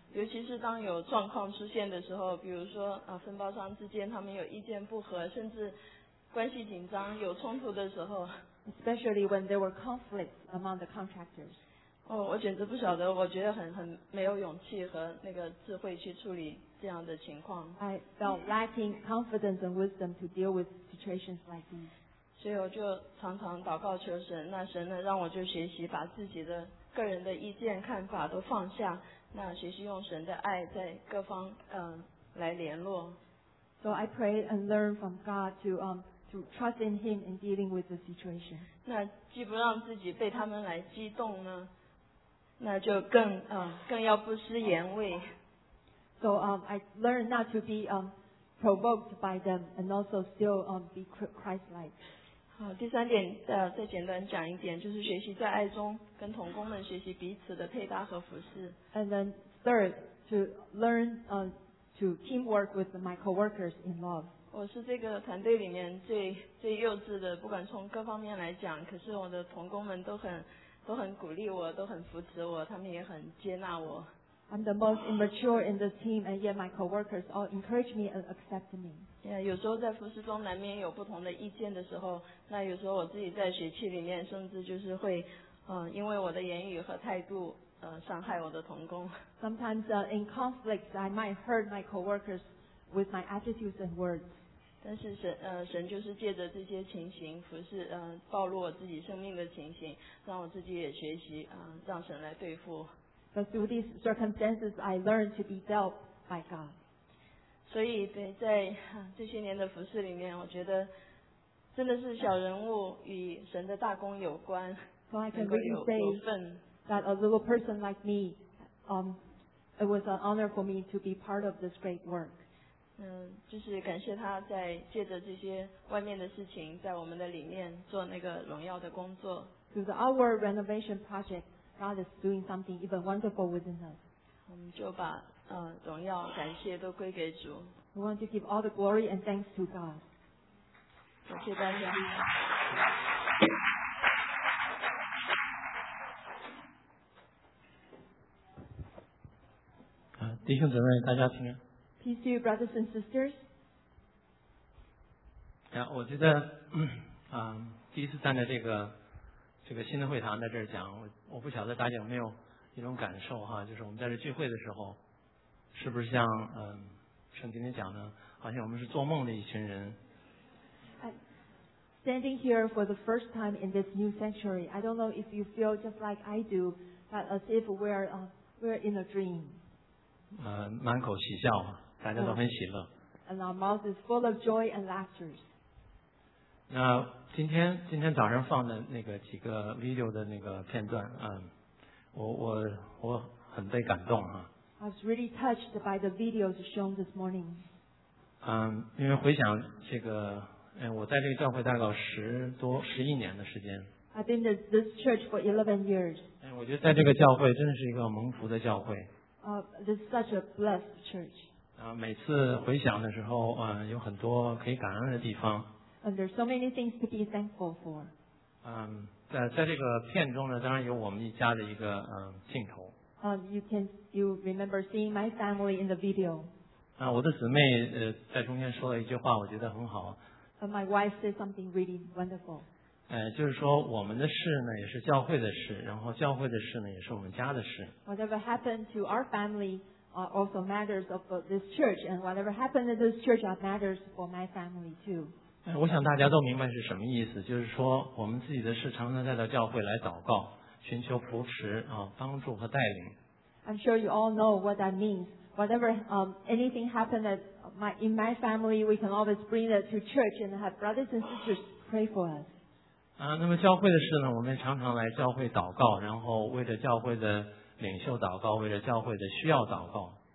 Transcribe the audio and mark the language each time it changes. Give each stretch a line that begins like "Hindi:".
Chinese: 尤其是当有状况出现的时候，比如说分包商之间他们有意见不合，甚至关系紧张、有冲突的时候。
English: Especially when there were conflicts among the contractors.
Chinese: 我简直不晓得，我觉得很没有勇气和那个智慧去处理这样的情况。
English: I felt lacking confidence and wisdom to deal with situations like these.
Chinese: 所以我就常常祷告求神，那神呢让我就学习把自己的个人的意见看法都放下，那学习用神的爱在各方来联络。
English: So I prayed and learned from God to trust in him in dealing with the situation.
Chinese: 那既不让自己被他们来激动呢，那就更要不失言味。
English: So I learned not to be provoked by them and also still be Christ-like.
Chinese: 好，第三点再简单讲一点，就是学习在爱中跟同工们学习彼此的配搭和服侍。
English: And then third, to learn to teamwork with my co-workers in love.
Chinese: 我是这个团队里面最幼稚的，不管从各方面来讲，可是我的同工们都很鼓励我，都很扶持我，他们也很接纳我。
English: I'm the most immature in the team, and yet my coworkers all encourage me and accept me.
Chinese: Yeah, 有时候在服事中难免有不同的意见的时候，那有时候我自己在学期里面甚至就是会，因为我的言语和态度，伤害我的同工。
English: Sometimes, in conflicts, I might hurt my coworkers. With my attitudes and words.
Chinese: 但是神就是借着这些情形服侍暴露我自己生命的情形，让我自己也学习让神来对付。
English: But through these circumstances, I learned to be dealt by God.
Chinese: 所以对在这些年的服侍里面，我觉得真的是小人物与神的大功有关。
English: So I can really say that a little person like me, it was an honor for me to be part of this great work.
Chinese: 就是感谢他在借着这些外面的事情在我们的里面做那个荣耀的工作。
English: Through the outward renovation project, God is doing something even wonderful within us.
Chinese: 我们就把荣耀感谢都归给主。
English: We want to give all the glory and thanks to God.
Chinese: 感谢大家。弟兄姊妹大家平安。
English: Peace to you, brothers and sisters.
Chinese: Yeah, 我觉得第一次站在这个新的会堂在这儿讲，我不晓得大家有没有一种感受哈，就是我们在这聚会的时候，是不是像圣经里讲的，好像我们是做梦的一群人。
English: Standing here for the first time in this new sanctuary, I don't know if you feel just like I do, but as if we're in a dream.
Chinese: 满口喜笑哈。大家都很喜乐。
English: And our mouth is full of joy and laughter.
Chinese: 那今天早上放的那个几个 video 的那个片段，我很被感动啊。
English: I was really touched by the videos shown this morning.
Chinese: 因为回想这个我在这个教会大概11年的时间。
English: I've been in this church for 11 years.
Chinese: 我觉得在这个教会真的是一个蒙福的教会。
English: This is such a blessed church.
Chinese: 每次回想的时候，有很多可以感恩的地方。
English: And there's so many things to be thankful for.
Chinese: 在这个片中呢，当然有我们一家的一个镜头。
English: You remember seeing my family in the video.
Chinese: 我的姊妹在中间说了一句话，我觉得很好。
English: My wife said something really wonderful.
Chinese: 就是说我们的事呢也是教会的事，然后教会的事呢也是我们家的事。
English: Whatever happened to our family also matters of this church, and whatever happened in this church matters for my family too.
Chinese: 我想大家都明白是什么意思，就是说我们自己的事常常带到教会来祷告，寻求扶持帮助和带领。
English: I'm sure you all know what that means. Whatever anything happened that in my family, we can always bring it to church and have brothers and sisters pray for us.
Chinese: 那么教会的事呢，我们常常来教会祷告，然后为着教会的领袖祷告，为着教会的需要祷告。